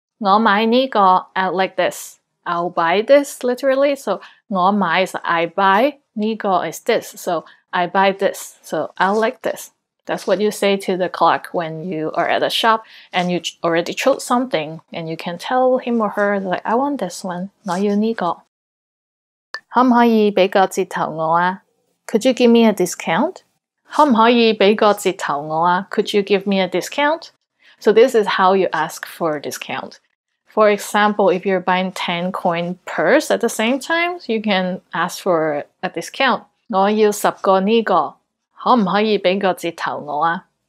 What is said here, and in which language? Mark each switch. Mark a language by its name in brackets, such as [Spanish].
[Cantonese] 我買呢個。 [English] I like this. I'll buy this literally. So [Cantonese] 我買 [English] is I buy. [Cantonese] 呢個 [English] is this. So I buy this. So I like this. That's what you say to the clerk when you are at a shop and you already chose something and you can tell him or her like I want this one. [Cantonese] 我要呢個。可唔可以俾個折頭我啊? [English] Could you give me a discount? [Cantonese] 可唔可以俾個折頭我啊? [English] Could you give me a discount? So this is how you ask for a discount. For example, if you're buying 10 coin purse at the same time, you can ask for a discount. [Cantonese] 我要十個呢個。可唔可以俾個折頭我啊?